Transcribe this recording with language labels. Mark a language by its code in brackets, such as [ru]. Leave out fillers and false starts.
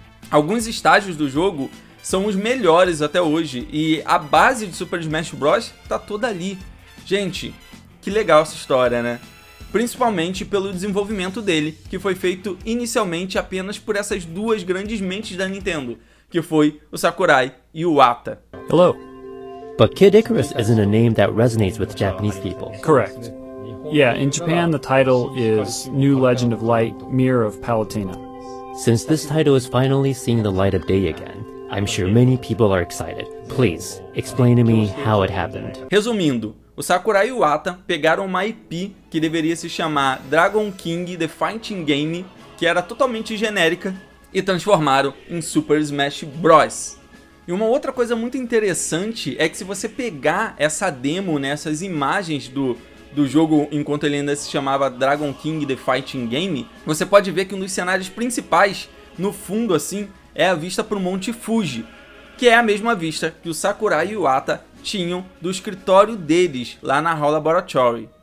[pt] Alguns estágios do jogo são os melhores até hoje, e a base de Super Smash Bros. Tá toda ali. Gente, que legal essa história, né? Principalmente pelo desenvolvimento dele, que foi feito inicialmente apenas por essas duas grandes mentes da Nintendo, que foi o Sakurai e o Iwata. [en] Hello. But Kid Icarus isn't a name that resonates with Japanese people. Correct. Yeah, in Japan the title is New Legend of Light, Mirror of Palutena. Since this title is finally seeing the light of day again, I'm sure many people are excited. Please, explain to me how it happened. [pt] Resumindo, o Sakurai e o Iwata pegaram uma IP que deveria se chamar Dragon King The Fighting Game, que era totalmente genérica, e transformaram em Super Smash Bros. E uma outra coisa muito interessante é que se você pegar essa demo, né, essas imagens do jogo enquanto ele ainda se chamava Dragon King The Fighting Game, você pode ver que um dos cenários principais, no fundo assim, é a vista para o Monte Fuji, que é a mesma vista que o Sakurai e o Iwata tinham do escritório deles, lá na HAL Laboratory.